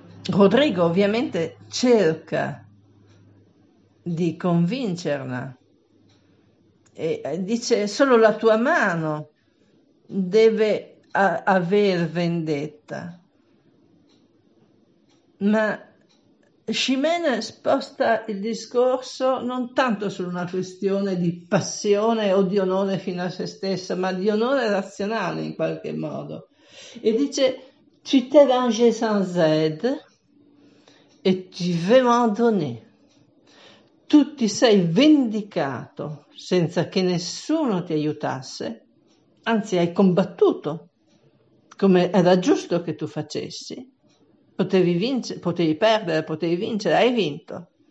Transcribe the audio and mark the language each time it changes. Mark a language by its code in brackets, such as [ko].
[it] Rodrigue ovviamente cerca di convincerla e dice: solo la tua mano deve aver vendetta. Ma Chimène sposta il discorso non tanto su una questione di passione o di onore fino a se stessa, ma di onore razionale in qualche modo. E dice: [fr] tu t'es vengé sans aide et tu veux m'en donner. [it] Tu ti sei vendicato senza che nessuno ti aiutasse, anzi hai combattuto come era giusto che tu facessi, potevi vincere, potevi perdere, potevi vincere, hai vinto.